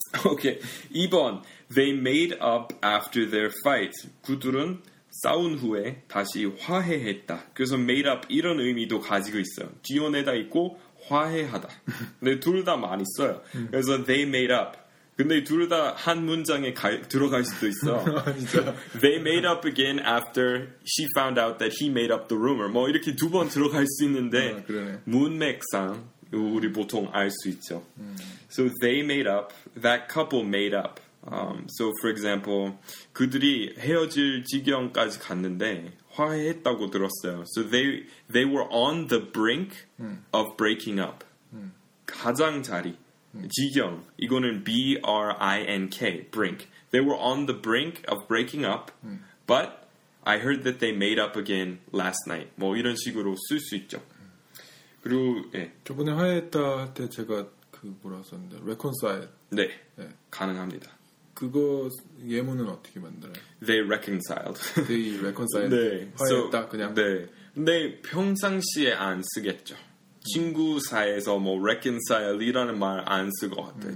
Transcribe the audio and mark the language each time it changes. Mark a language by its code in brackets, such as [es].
[en] 오케이. 2번. They made up after their fight. [ko] 그들은 싸운 후에 다시 화해했다. 그래서 made up 이런 의미도 가지고 있어요. 지어내다 있고 화해하다. 근데 둘 다 많이 써요. 그래서 [en] they made up. [ko] 근데 둘 다 한 문장에 들어갈 수도 있어. 진짜. [en] They made up again after she found out that he made up the rumor. [ko] 뭐 이렇게 두 번 들어갈 수 있는데 문맥상 우리 보통 알 수 있죠. [en] So they made up. That couple made up. So for example, [ko] 그들이 헤어질 지경까지 갔는데 화해했다고 들었어요. [en] So they were on the brink of breaking up. [ko] 가장자리. 지경 이거는 B-R-I-N-K brink. [en] They were on the brink of breaking up, but I heard that they made up again last night. [ko] 뭐 이런 식으로 쓸 수 있죠. 그리고 예. 저번에 화해했다 할 때 제가 그 뭐라 썼는데 reconcile. 네. 예. 가능합니다. 그거 예문은 어떻게 만들어요? [en] They reconciled. They reconciled. [ko] 네. 화해했다 so, 그냥. 네. 근데 평상시에 안 쓰겠죠. 친구 사이에서 뭐 reconcile이라는 말 안 쓸 것 같아요.